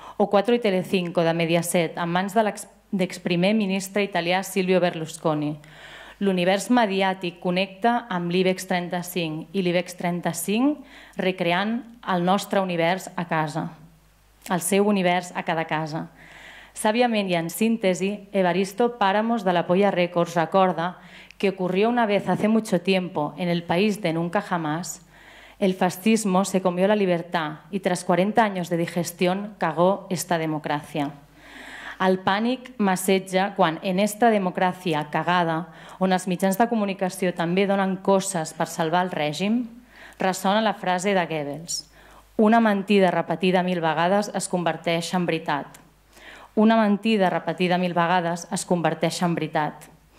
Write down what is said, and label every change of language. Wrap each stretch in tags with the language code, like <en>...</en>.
<ca>O 4 i Telecinco, de Mediaset, en mans de l'exprimer ministre italià Silvio Berlusconi. L'univers mediàtic connecta amb l'IBEX 35 i l'IBEX 35 recreant el nostre univers a casa, el seu univers a cada casa. Sàviament i en síntesi,</ca> <es>Evaristo Páramos de La Polla Records</es> <ca>recorda que</ca> <es>ocurrió una vez hace mucho tiempo en El País de Nunca Jamás, El fascismo se comió la libertad y tras 40 años de digestión cagó esta democracia.</es> <ca>El pànic m'assetja quan en esta democràcia cagada, on els mitjans de comunicació també donen coses per salvar el règim, ressona la frase de Goebbels: una mentida repetida mil vegades es converteix en veritat. Una mentida repetida mil vegades es converteix en veritat.</ca>